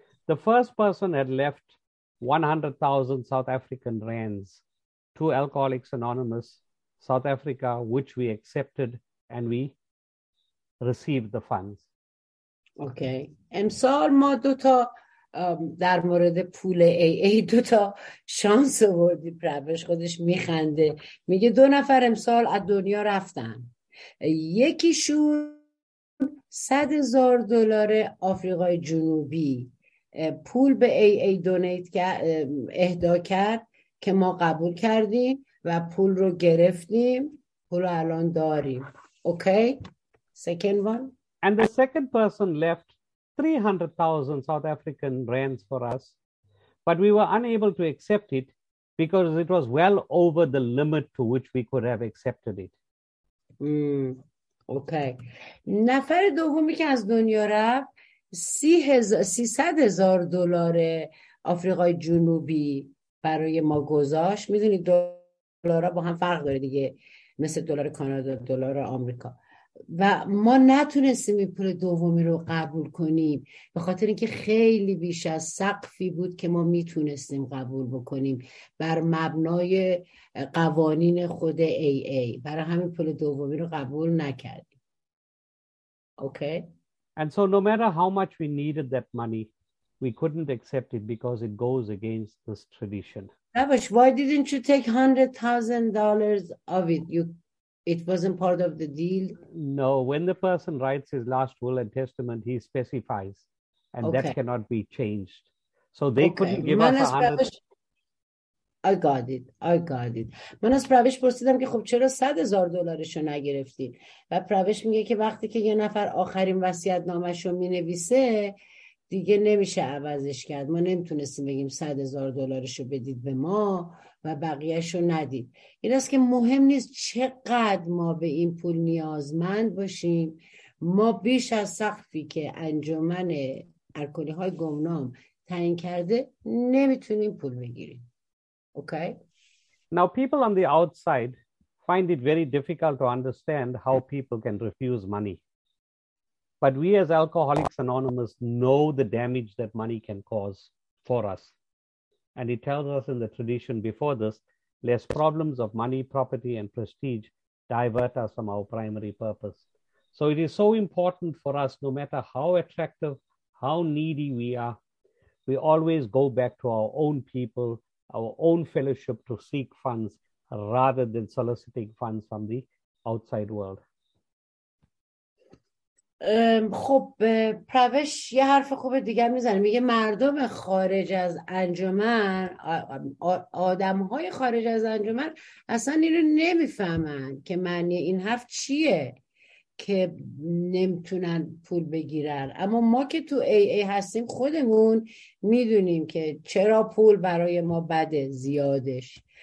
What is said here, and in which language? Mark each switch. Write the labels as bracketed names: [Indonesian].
[English] The first person had left 100,000 South African rands to Alcoholics Anonymous, South Africa, which we accepted and we received the funds. Okay. [Persian] امسال ما دوتا در مورد پول AA دوتا شانس آوردیم. پرویش خودش میخنده. میگه دو نفر امسال از دنیا رفتن. یکیشون 100,000 دلار آفریقای جنوبی پول به AA دونیت کرد، اهدا کرد، که ما قبول کردیم و پول رو گرفتیم، پول رو الان داریم. [English] Okay? Second one? And the second person left 300,000 South African rands for us, but we were unable to accept it because it was well over the limit to which we could have accepted it. [Persian] اوکی. نفر دومی که از دنیا رفت 300,000 دلار آفریقای جنوبی برای ما گذاشت. میدونید دلارا با هم فرق داره دیگه، مثل دلار کانادا، دلار آمریکا، و ما نتونستیم این پول دومی رو قبول کنیم به خاطر اینکه خیلی بیش از سقفی بود که ما میتونستیم قبول بکنیم بر مبنای قوانین خود AA. برای همین پول دومی رو قبول نکردیم. اوکی. [English] And so no matter how much we needed that money, we couldn't accept it because it goes against this tradition. Babish, why didn't you take $100,000 of it? It wasn't part of the deal? No, when the person writes his last will and testament, he specifies, and okay, that cannot be changed. So they couldn't give us I got it. [Persian] من از پرویش پرسیدم که خب چرا 100,000 دلارشو نگرفتین؟ و پرویش میگه که وقتی که یه نفر آخرین وصیت نامه‌شو مینویسه دیگه نمیشه عوضش کرد. ما نمیتونستیم بگیم 100,000 دلارشو بدید به ما و بقیهشو ندید. این است که مهم نیست چقدر ما به این پول نیازمند باشیم. ما بیش از سقفی که انجمن الکلی های گمنام تعیین کرده نمیتونیم پول بگیریم. اوکی؟ [English] Now people on the outside find it very difficult to understand how people can refuse money. But we as Alcoholics Anonymous know the damage that money can cause for us. And it tells us in the tradition before this, lest problems of money, property, and prestige divert us from our primary purpose. So it is so important for us, no matter how attractive, how needy we are, we always go back to our own people, our own fellowship to seek funds rather than soliciting funds from the outside world. [Persian] خب پروش یه حرف خوب دیگه میزنه، میگه مردم خارج از انجمن، آدم های خارج از انجمن اصلا اینو نمیفهمن که معنی این حرف چیه که نمیتونن پول بگیرن، اما ما که تو ای ای هستیم خودمون میدونیم که چرا پول برای ما بده زیادش.